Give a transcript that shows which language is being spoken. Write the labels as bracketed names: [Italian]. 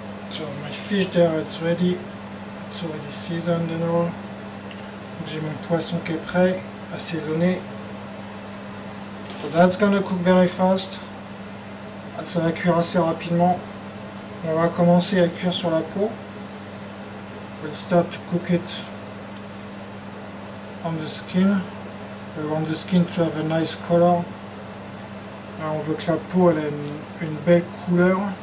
[English] So my fish there, it's ready. It's already seasoned and all. [French] J'ai mon poisson qui est prêt, assaisonné. [English] So that's gonna cook very fast. [French] Ça va cuire assez rapidement. On va commencer à cuire sur la peau. [English] We'll start to cook it on the skin. We want the skin to have a nice color. [French] Alors on veut que la peau elle ait une belle couleur.